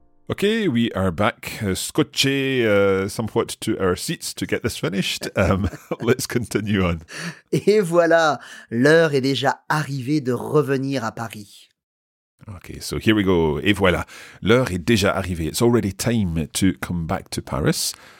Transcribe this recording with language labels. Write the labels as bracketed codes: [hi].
[en] Okay, we are back, scotché somewhat to our seats to get this finished. Let's continue on. [fr] Et voilà, l'heure est déjà arrivée de revenir à Paris. [en] Okay, so here we go. [fr] Et voilà, l'heure est déjà arrivée. [en] It's already time to come back to Paris.